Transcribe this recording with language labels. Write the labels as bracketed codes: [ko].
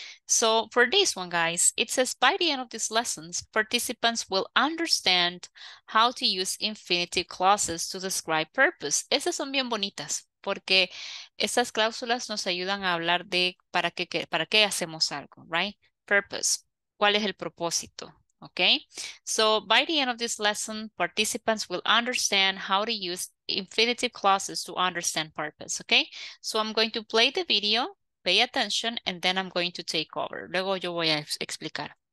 [en] So for this one, guys, it says by the end of these lessons, participants will understand how to use infinitive clauses to describe purpose. [es] Esas son bien bonitas porque esas cláusulas nos ayudan a hablar de para qué hacemos algo, right? Purpose. ¿Cuál es el propósito? Okay. [en] So by the end of this lesson, participants will understand how to use infinitive clauses to understand purpose. Okay. So I'm going to play the video. Pay attention, and then I'm going to take over. [es] Luego yo voy a explicar.